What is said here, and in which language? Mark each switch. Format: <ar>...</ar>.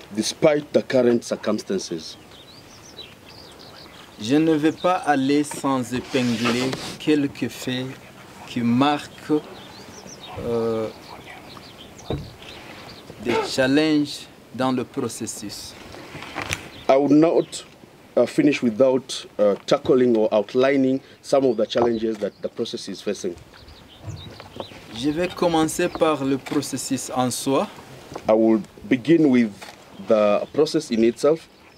<en>Despite the current circumstances.</en> <fr>Je ne vais pas aller sans épingler quelques faits qui marquent des challenges dans le processus.</fr> <en>I would not finish without tackling or outlining some of the challenges that the process is facing.</en> <fr>Je vais commencer par le processus en soi.</fr> <en>I will begin with the process in itself.</en>